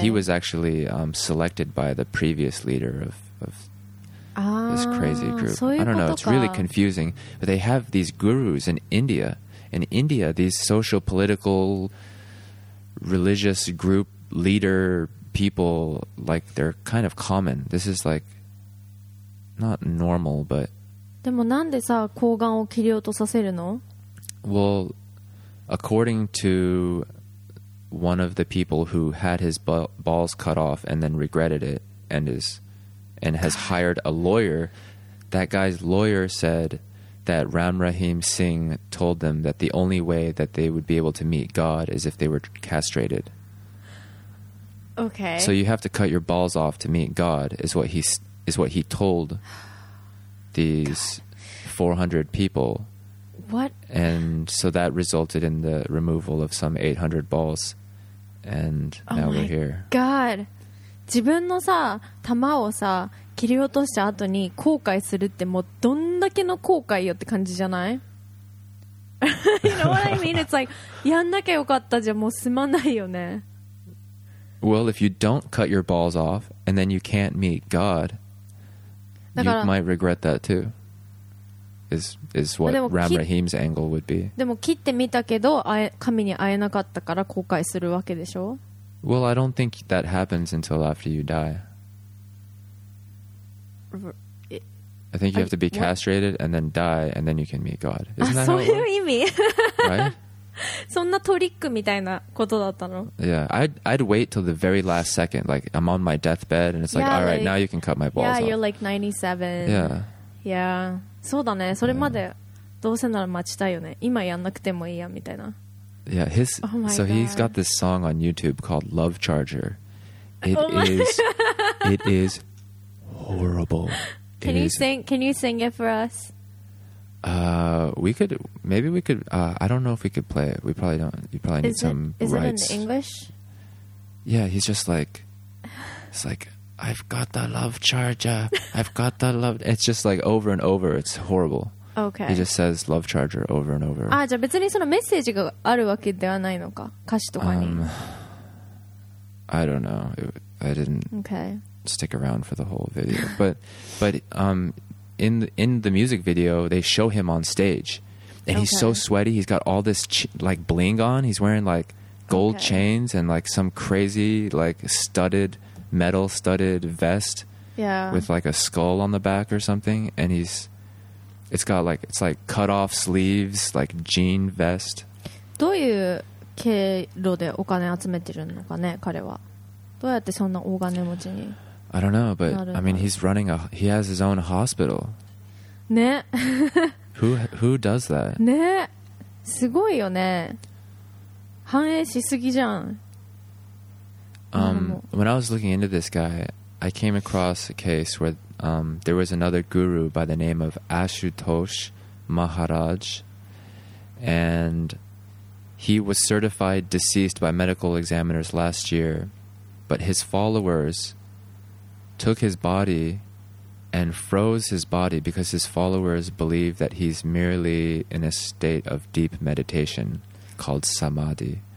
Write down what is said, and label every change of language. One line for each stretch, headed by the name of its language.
English: he was actually selected by the previous leader of this crazy group.
Japanese: そういうことか。
English: I don't know, it's really confusing. But they have these gurus in India. In India, these social, political, religious group leader people, like, they're kind of common. This is like, not normal, but...
Japanese: でもなんでさ、睾丸を切り落とさせるの？
English: Well, according to... one of the people who had his balls cut off and then regretted it and has hired a lawyer, that guy's lawyer said that Ram Rahim Singh told them that the only way that they would be able to meet God is if they were castrated. Okay. So you have to cut your balls off to meet God is what he told these God. 400 people. What? And so that resulted in the removal of some 800 balls. And now we're here. Oh my God!
Japanese: 自分のさ、玉をさ、切り落とした後に後悔するってもうどんだけの後悔よって感じじゃない？
English: You know what I mean? It's like,
Japanese: やんなきゃよかったじゃもうすまないよね。
English: Well, if you don't cut your balls off and then you can't meet God, you might regret that too. Is what Ram Rahim's angle would be.
Japanese: でも切ってみたけど神に会えなかったから後悔するわけでしょ。
English: Well, I don't think that happens until after you die. I think you have to be castrated and then die and then you can meet God. Isn't that how it works?
Japanese: そういう意味。
English: Right?
Japanese: そんなトリックみたいなことだったの。
English: Yeah, I'd wait till the very last second. Like, I'm on my deathbed and it's like, yeah, all right, like, now you can cut my balls off. Yeah, you're like 97. Yeah.
Japanese: Yeah. そうだね。それまでどうせなら待ちたいよね。今やんなくてもいいやみたいな。
English: Yeah, his、 oh、my so he's got this song on YouTube called Love Charger. It、 oh、 is it is horrible. Can you sing? Can you sing it for us? We could maybe we could. I don't know if we could play it. We probably don't. You probably need is some it, rights. Is it in English? Yeah, he's just like it's like. I've got the love charger. I've got the love. It's just like over and over. It's horrible. Okay. He just says love charger over and over.
Japanese: じゃあ別にそのメッセージがあるわけではないのか、歌詞とかに。
English: I don't know. I didn't okay. stick around for the whole video. But in the music video, they show him on stage. And okay. he's so sweaty. He's got all this like bling on. He's wearing like gold okay. chains and like some crazy like studded... metal studded vest yeah. with like a skull on the back or something, and he's It's got like, it's like cut off sleeves, like jean vest.
Japanese: どういう経路でお金集めてるのかね、彼は。どうやってそんな大金持ちに。
English: I don't know, but I mean, he's running a, he has his own hospital.
Japanese: ね。
English: who does that?
Japanese: ね。すごいよね。繁栄しすぎじゃん。
English: When I was looking into this guy, I came across a case where there was another guru by the name of Ashutosh Maharaj, and he was certified deceased by medical examiners last year, but his followers took his body and froze his body because his followers believe that he's merely in a state of deep meditation called samadhi.